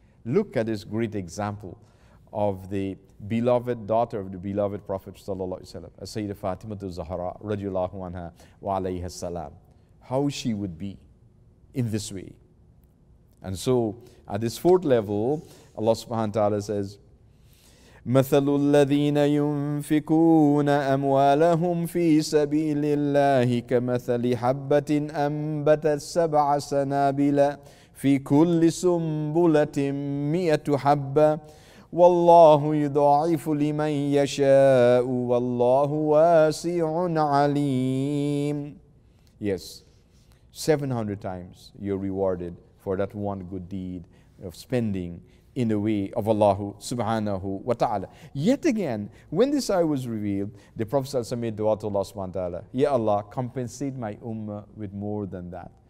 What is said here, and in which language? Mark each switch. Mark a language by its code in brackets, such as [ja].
[en] Look at this great example of the beloved daughter of the beloved Prophet sallallahu alaihi wasallam, Sayyidah Fatima Zahra radiyallahu anha wa alayhi salam. How she would be in this way. And so at this fourth level, Allah subhanahu wa ta'ala says, [ar] مثل الذين ينفقون أموالهم في سبيل الله كمثل حبة أنبتت سبع سنابل في كل سنبلة 100 حبة والله يضاعف لمن يشاء والله واسع عليم. [en] Yes, 700 times you're rewarded for that one good deed of spending in the way of Allah subhanahu wa ta'ala. Yet again, when this ayah was revealed, the Prophet ﷺ made dua to Allah subhanahu wa ta'ala, Ya Allah, compensate my ummah with more than that.